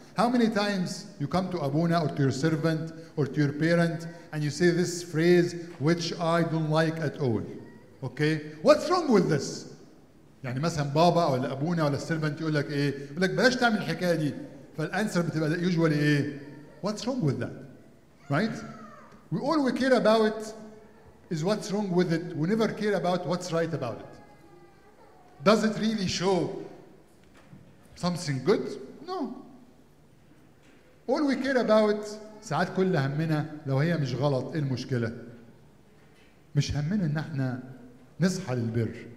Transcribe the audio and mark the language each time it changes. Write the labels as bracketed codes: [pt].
[en] How many times you come to Abuna or to your servant or to your parent and you say this phrase which I don't like at all? Okay? What's wrong with this? [ar] يعني مثلا بابا ولا أبونا ولا السيرفنت يقول لك ايه؟ يقول لك بلاش تعمل الحكاية دي. فالانسر بتبقى يوجوالي ايه؟ [en] What's wrong with that? Right? We all we care about is what's wrong with it. We never care about what's right about it. Does it really show something good? No. All we care about [ar] ساعات كل همنا لو هي مش غلط ايه المشكلة؟ مش همنا ان احنا نصحى للبر.